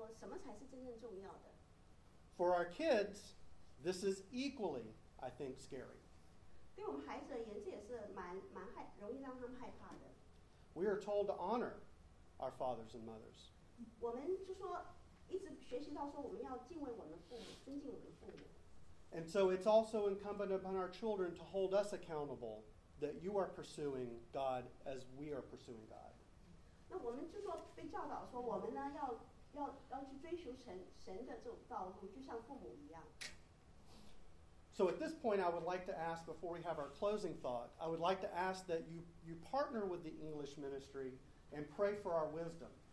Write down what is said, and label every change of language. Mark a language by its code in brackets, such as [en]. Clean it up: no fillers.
[zh] 就在我们一般生活当中，你知道，尤其是中国的文化，就是父母对孩子的要求在学业上，就是要他们成绩好，要排名列前茅，还有很多其他世俗上的这种忙碌当中，哈，那你要怎么样让他知道说什么才是真正重要的？ [en] For our kids, this is equally, I think, scary. [zh] 对我们孩子而言，这也是蛮容易让他们害怕的。 [en] We are told to honor our fathers and mothers. [zh] 我们就说，一直学习到说，我们要敬畏我们父母，尊敬我们父母。 [en] And so it's also incumbent upon our children to hold us accountable that you are pursuing God as we are pursuing God. [zh] 那我们就说被教导说，我们呢要去追求神的这种道路，就像父母一样。 [en] So at this point, I would like to ask, before we have our closing thought, I would like to ask that you partner with the English ministry and pray for our wisdom.